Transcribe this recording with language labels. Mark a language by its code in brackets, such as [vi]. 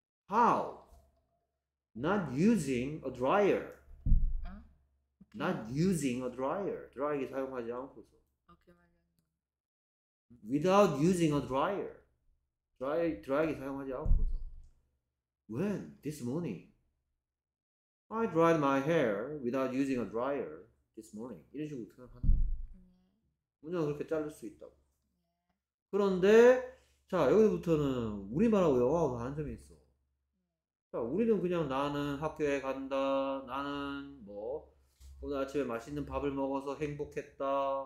[en] How? Not using a dryer. 아, Not using a dryer. [ko] 드라이기 사용하지 않고서. [en] Okay, Without using a dryer. [ko] 드라이기 사용하지 않고서. [en] When? This morning. I dried my hair without using a dryer this morning. [ko] 이런 식으로 생각한다고. 문장을 그렇게 자를 수 있다고. 그런데, 자, 여기부터는 우리말하고 영어하고 다른 점이 있어. 자, 우리는 그냥 나는 학교에 간다. 나는 뭐, 오늘 아침에 맛있는 밥을 먹어서 행복했다.